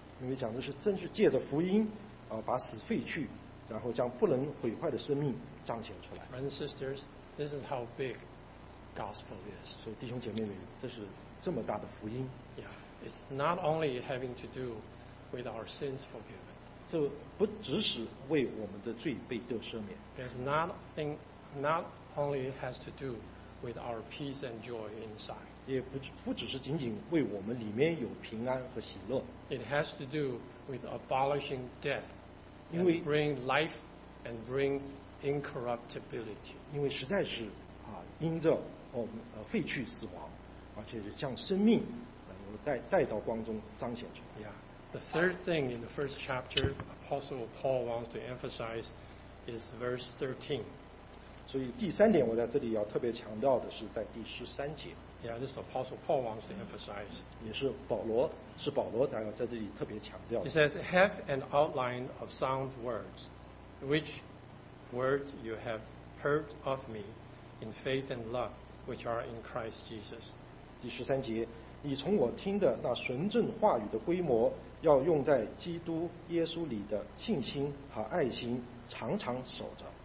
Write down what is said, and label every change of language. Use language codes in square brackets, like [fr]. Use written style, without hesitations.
[zh] 因为讲的是正是借着福音把死废去然后将不能毁坏的生命彰显出来 [en] Brothers and sisters this is how big gospel is [zh] 所以弟兄姐妹们这是这么大的福音 [en] yeah, it's not only having to do with our sins forgiven [zh] 这不只是为我们的罪被得赦免 [en] it's not only has to do with our peace and joy inside [zh] 也 不只是仅仅为我们里面有平安和喜乐 [en] it has to do with abolishing death and bring life and bring incorruptibility [zh] 因为实在是因着我们废去死亡而且是将生命带到光中彰显出来 yeah. [en] The third thing in the first chapter Apostle Paul wants to emphasize is verse 13 [zh] 所以第三点我在这里要特别强调的是在第十三节 [en] Yeah, this Apostle Paul wants to emphasize [zh] 也是保罗是保罗要在这里特别强调 [en] He says, have an outline of sound words which words you have heard of me in faith and love which are in Christ Jesus [zh] 第十三节你从我听的那纯正话语的规模要用在基督耶稣里的信心和爱心常常守着